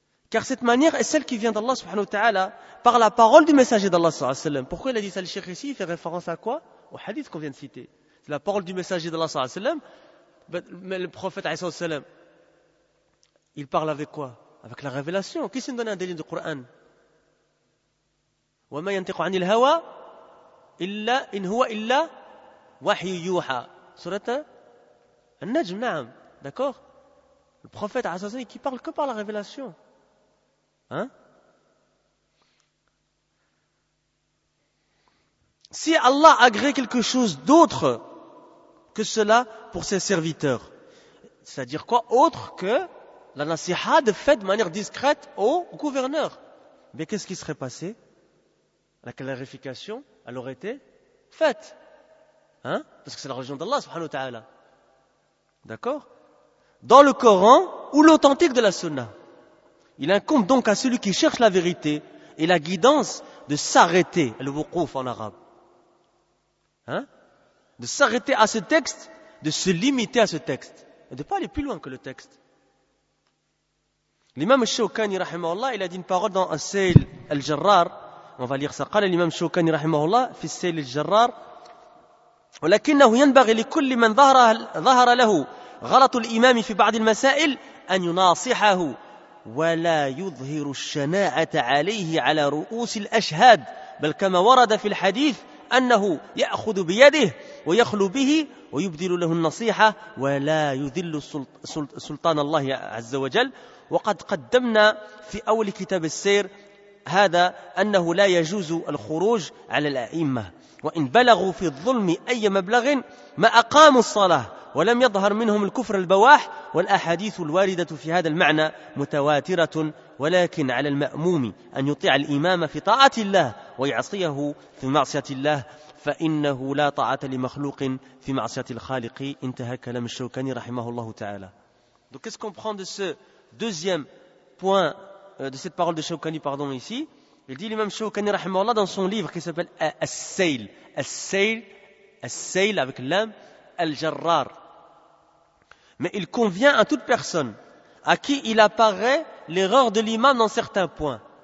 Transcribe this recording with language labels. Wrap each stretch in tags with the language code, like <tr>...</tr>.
<fr>Car cette manière est celle qui vient d'Allah subhanahu wa ta'ala par la parole du messager d'Allah sallallahu alayhi wa sallam. Pourquoi il a dit ça le cheikh ici ? Il fait référence à quoi ? Au hadith qu'on vient de citer. C'est la parole du messager d'Allah sallallahu alayhi wa sallam. Mais le prophète sallallahu alayhi wa sallam, il parle avec quoi ? Avec la révélation. Qui s'est donné un délit du Coran ?</fr> <ar>وَمَا يَنْتِقُ عَنِ الْهَوَى إِلَّا إِنْ هُوَ إِلَّا وَحْيُ يُوحَى Surat al-Najm, na'am.</ar> <fr>D'accord ? Le prophète sallallahu alayhi wa sallam, il parle que par la révélation. Si Allah agrée quelque chose d'autre que cela pour ses serviteurs, c'est-à-dire quoi? Autre que la nasiha de fait de manière discrète au gouverneur. Mais qu'est-ce qui serait passé? La clarification, elle aurait été faite. Parce que c'est la religion d'Allah, subhanahu wa ta'ala. D'accord? Dans le Coran ou l'authentique de la sunna. Il incombe donc à celui qui cherche la vérité et la guidance de s'arrêter, le wukuf en arabe, de s'arrêter à ce texte, de se limiter à ce texte, et de ne pas aller plus loin que le texte. L'imam Shawkani, rahimahullah, il a dit une parole dans As-Sayl al-Jarrar, on va lire ça, قال l'imam Shawkani, rahimahullah,</fr> <ar>fi As-Sayl al-Jarrar, ولكنه ينبغي لكل من ظهر له غلط الإمام في بعض المسائل أن يناصحه ولا يظهر الشناعة عليه على رؤوس الأشهاد بل كما ورد في الحديث أنه يأخذ بيده ويخلو به ويبدل له النصيحة ولا يذل سلطان الله عز وجل. وقد قدمنا في أول كتاب السير هذا أنه لا يجوز الخروج على الأئمة وإن بلغوا في الظلم أي مبلغ ما أقاموا الصلاة ولم يظهر منهم الكفر البواح والأحاديث الواردة في هذا المعنى متواترة ولكن على المأموم أن يطيع الإمام في طاعة الله ويعصيه في معصية الله فإنه لا طاعة لمخلوق في معصية الخالق. انتهى كلام الشوكاني رحمه الله تعالى.</ar> <fr>Donc qu'est-ce qu'on prend de ce deuxième point de cette parole de Shawkani, pardon, ici? Il dit l'imam Shawkani</fr> <ar>رحمه الله</ar> <fr>dans son livre qui s'appelle As-Sayl. As-Sayl, As-Sayl avec l'âme Al-Jarrar. Mais il convient à toute personne à qui il apparaît l'erreur de l'imam dans certains points,</fr>